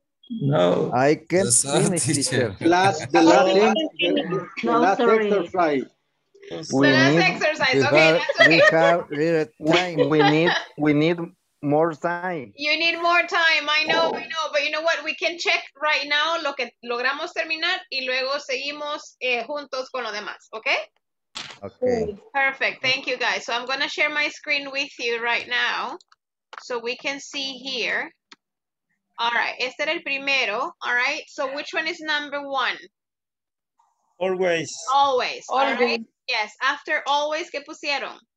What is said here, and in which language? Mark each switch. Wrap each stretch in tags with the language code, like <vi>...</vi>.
<en>No. I can't finish, teacher. The last exercise, okay. We need more time. You need more time, I know, but you know what? We can check right now</en> <es>lo que logramos terminar y luego seguimos juntos con lo demás, okay?</es> <en>Okay. Perfect. Thank you, guys. So I'm going to share my screen with you right now so we can see here. All right.</en> <es>Este era el primero.</es> <en>All right. So which one is number one? Always. Always. Always. All right. Yes. After always,</en> <es>¿qué pusieron?</es>